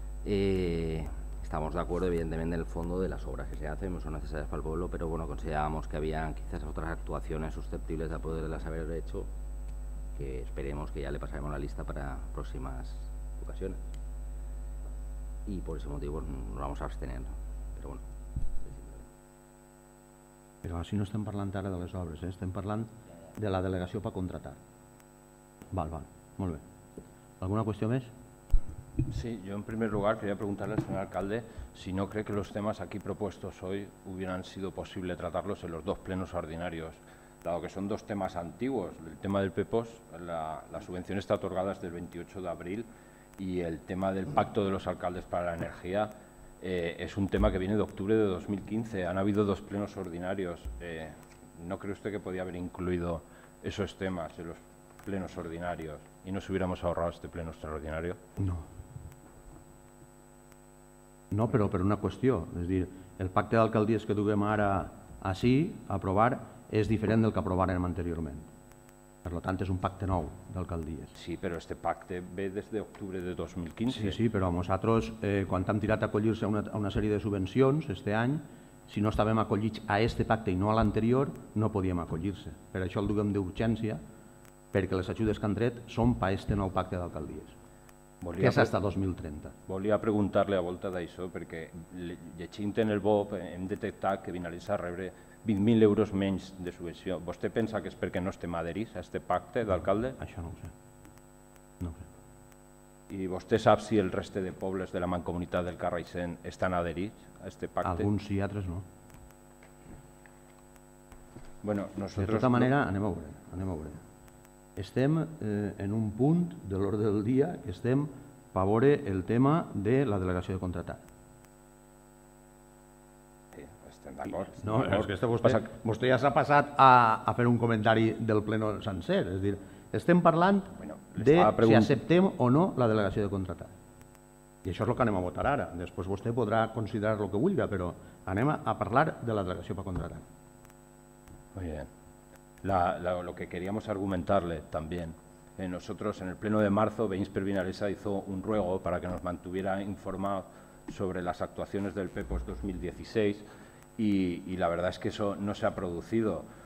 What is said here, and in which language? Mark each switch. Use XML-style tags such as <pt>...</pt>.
<es>Estamos de acuerdo, evidentemente, en el fondo de las obras que se hacen, son necesarias para el pueblo, pero bueno, considerábamos que había quizás otras actuaciones susceptibles de poderlas haber hecho, que esperemos que ya le pasaremos la lista para próximas ocasiones. Y por ese motivo nos vamos a abstener. Pero bueno.</es> <ca>Pero así no estem parlant ara de les obres, ¿eh? Estem parlant de la delegació per contratar. Val, val. Molt bé.</ca> <es>¿Alguna cuestión más? Sí, yo en primer lugar quería preguntarle al señor alcalde si no cree que los temas aquí propuestos hoy hubieran sido posible tratarlos en los dos plenos ordinarios, dado que son dos temas antiguos. El tema del PEPOS, la subvención está otorgada desde el 28 de abril y el tema del pacto de los alcaldes para la energía es un tema que viene de octubre de 2015. Han habido dos plenos ordinarios. ¿No cree usted que podía haber incluido esos temas en los plenos ordinarios y nos hubiéramos ahorrado este pleno extraordinario? No. No, pero per una cuestión. Es decir, el pacte de alcaldías</es> <ca>que duguem ara</ca> <es>así, a aprobar, es diferente del que aprobaron anteriormente. Por lo tanto, es un pacte nou de alcaldías. Sí, pero este</es> <ca>pacte ve</ca> <es>desde octubre de 2015. Sí, sí, pero a nosotros, cuando han tirado a acollirse a una serie de subvenciones este año, si no estábamos acollits a este pacte y no a l'anterior, no podíamos acollirse.</es> <ca>Pero això el duguem de urgencia, perquè les ajudes que han tret són per este nou pacte d'alcaldies, que és fins a 2030. Volia preguntar-li a volta d'això, perquè llegint en el BOP hem detectat que Vinalès ha rebre 20.000 euros menys de subvenció. Vostè pensa que és perquè no estem adherits a este pacte d'alcalde? Això no ho sé. No ho sé. I vostè sap si el reste de pobles de la Mancomunitat del Carraixent estan adherits a este pacte? Alguns sí, altres no.</ca> <es>Bueno, nosotros...</es> <ca>De tota manera, anem a veure, anem a veure. Estem en un punt de l'ordre del dia que estem per veure el tema de la delegació de contratar. Estem d'acord. No, és que vostè ja s'ha passat a fer un comentari del pleno sencer. És a dir, estem parlant de si acceptem o no la delegació de contratar. I això és el que anem a votar ara. Després vostè podrà considerar el que vulgui, però anem a parlar de la delegació per contratar. Molt bé.</ca> <es>Lo que queríamos argumentarle también, nosotros en el pleno de marzo, Veïnsper Vinalesa hizo un ruego para que nos mantuviera informados sobre las actuaciones del PEPOS 2016 y la verdad es que eso no se ha producido.</es>